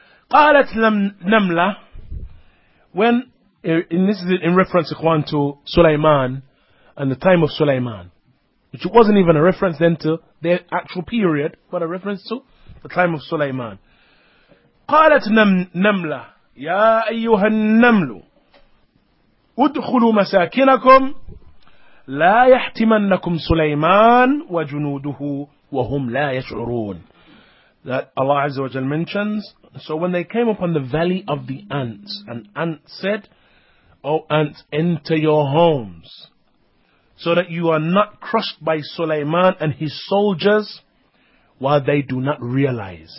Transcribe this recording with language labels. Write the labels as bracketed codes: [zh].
[ar] قَالَتْ لَمْ نَمْلَ, [en] when, and this is in reference, Ikhwan, to Sulaiman and the time of Sulaiman, which wasn't even a reference then to their actual period, but a reference to the time of Sulaiman. [ar] قَالَتْ نَمْلَ, يَا أَيُّهَا النَّمْلُ, اُدْخُلُوا مَسَاكِنَكُمْ لا يحتمنكم سليمان وجنوده وهم لا يشعرون. [en] That Allah Azza wa Jal mentions, so when they came upon the valley of the ants, an ant said, O ants, enter your homes, so that you are not crushed by Sulaiman and his soldiers while they do not realize.